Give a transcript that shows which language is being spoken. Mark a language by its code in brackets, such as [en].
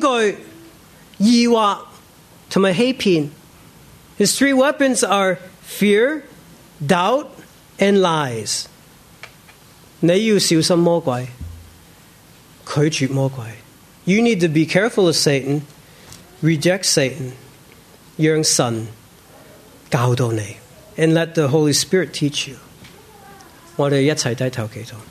[zh] 三个武器：恐惧、疑惑和欺骗。 [en] His three weapons are fear, doubt, and lies. [zh] 你要小心魔鬼，拒绝魔鬼。 [en] You need to be careful of Satan. Reject Satan. [zh] 让神教导你。 [en] And let the Holy Spirit teach you. [zh] 我们一起低头祈祷。